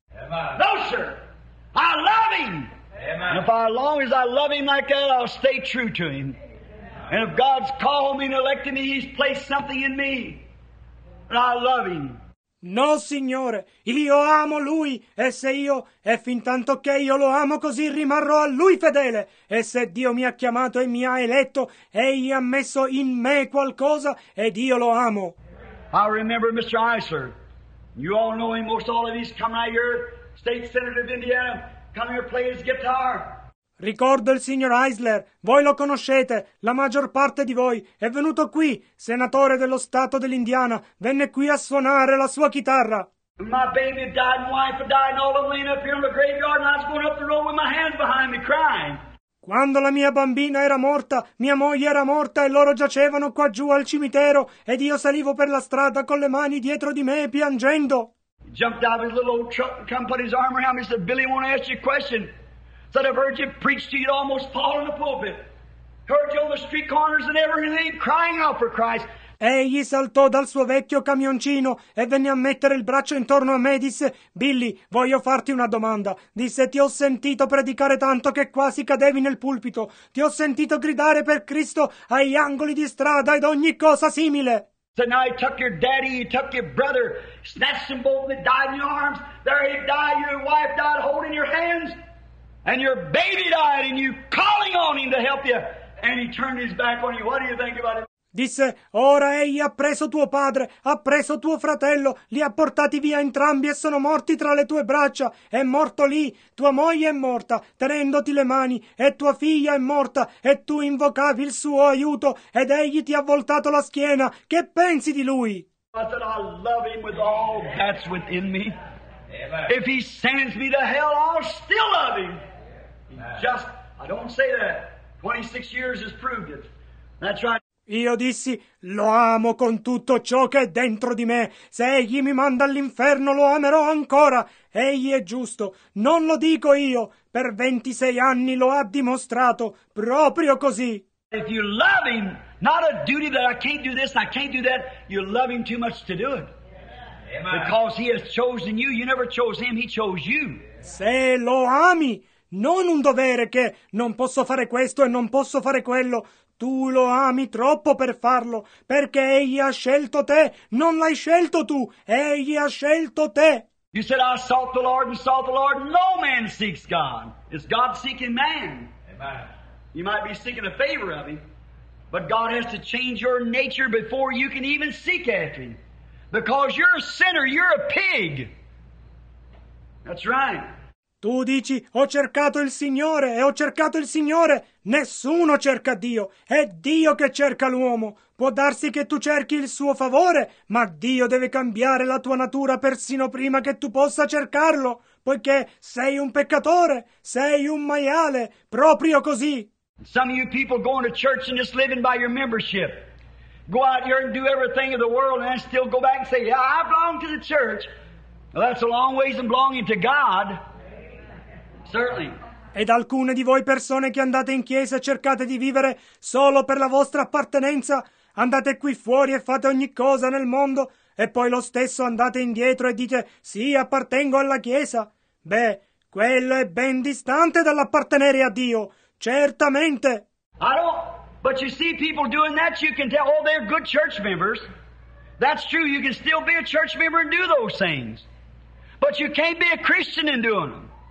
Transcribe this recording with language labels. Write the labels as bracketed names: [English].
[English] Amen. No, sir, I love him. Amen. And if as long as I love him like that, I'll stay true to him. And if God's called me and elected me, he's placed something in me. And I love him. [Italian] No, signore, io amo lui. E se io, e fin tanto che io lo amo così, rimarrò a lui fedele. E se Dio mi ha chiamato e mi ha eletto, egli ha messo in me qualcosa, ed io lo amo. [English] I remember Mr. Iser. You all know him, most all of you. He's coming out here, state senator of Indiana, come here, play his guitar. [Italian] Ricordo il signor Eisler, voi lo conoscete, la maggior parte di voi, è venuto qui, senatore dello stato dell'Indiana, venne qui a suonare la sua chitarra. [English] My baby died, my wife died, all of them up here in the graveyard, and I was going up the road with my hands behind me crying. [Italian] Quando la mia bambina era morta, mia moglie era morta e loro giacevano qua giù al cimitero, ed io salivo per la strada con le mani dietro di me piangendo. [English] He jumped out of his little old truck and come put his arm around me and said, Billy, I want to ask you a question. That I've heard you preach to you almost fall in the pulpit. Heard you on the street corners and everything crying out for Christ. [Italian] Egli saltò dal suo vecchio camioncino e venne a mettere il braccio intorno a me e disse, Billy, voglio farti una domanda. Disse, ti ho sentito predicare tanto che quasi cadevi nel pulpito. Ti ho sentito gridare per Cristo agli angoli di strada ed ogni cosa simile. [English] So now he took your daddy, he took your brother, snatched them both and they died in your arms. There he died, your wife died holding your hands. And your baby died, and you calling on him to help you, and he turned his back on you. What do you think about it? [Italian] disse: ora egli ha preso tuo padre, ha preso tuo fratello, li ha portati via entrambi e sono morti tra le tue braccia. È morto lì, tua moglie è morta tenendoti le mani, e tua figlia è morta, e tu invocavi il suo aiuto ed egli ti ha voltato la schiena. Che pensi di lui? [English] I said, I love him with all that's within me. If he sends me to hell, I'll still love him. Just, I don't say that. 26 years has proved it. That's right. [Italian] Io dissi: lo amo con tutto ciò che è dentro di me. Se egli mi manda all'inferno, lo amerò ancora. Egli è giusto, non lo dico io. Per 26 anni lo ha dimostrato, proprio così. [English] If you love him, not a duty that I can't do this, I can't do that, you love him too much to do it. Because he has chosen you, you never chose him, he chose you. [Italian] Se lo ami, non un dovere che non posso fare questo e non posso fare quello. Tu lo ami troppo per farlo, perché egli ha scelto te, non l'hai scelto tu, egli ha scelto te. [English] You said, I sought the Lord and sought the Lord. No man seeks God. It's God seeking man. Amen. You might be seeking a favor of him, but God has to change your nature before you can even seek after him. Because you're a sinner, you're a pig. That's right. [Italian] Tu dici: ho cercato il Signore e ho cercato il Signore. Nessuno cerca Dio, è Dio che cerca l'uomo. Può darsi che tu cerchi il suo favore, ma Dio deve cambiare la tua natura persino prima che tu possa cercarlo, poiché sei un peccatore, sei un maiale, proprio così. [English] Some of you people going to church and just living by your membership. Go out here and do everything of the world and still go back and say, yeah, I belong to the church. Well, that's a long ways from belonging to God. Certainly. [Italian] Ed alcune di voi persone che andate in chiesa e cercate di vivere solo per la vostra appartenenza, andate qui fuori e fate ogni cosa nel mondo e poi lo stesso andate indietro e dite: sì, appartengo alla chiesa. Beh, quello è ben distante dall'appartenere a Dio, certamente. [English] I don't, but you see people doing that, you can tell, oh, they're good church members. That's true, you can still be a church member and do those things. But you can't be a Christian in doing them.